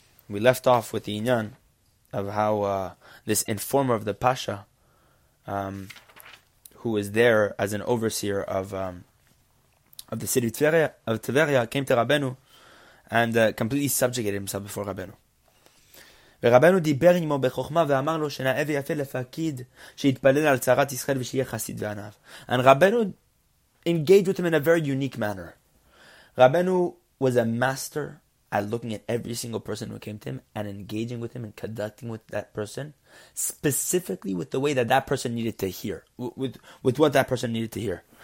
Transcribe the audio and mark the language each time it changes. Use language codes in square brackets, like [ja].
[en] We left off with the inyan of how this informer of the Pasha, who was there as an overseer of the city of Tiberias, came to Rabbeinu and completely subjugated himself before Rabbeinu. [he] ורבנו דיבר עמו בחוכמה ואמר לו שנאה ויפה לפקיד שיתפלל על צרת ישראל ושיהיה חסיד וענב. [en] And Rabbeinu engaged with him in a very unique manner. Rabbeinu was a master at looking at every single person who came to him and engaging with him and conducting with that person, specifically with the way that that person needed to hear, with what that person needed to hear.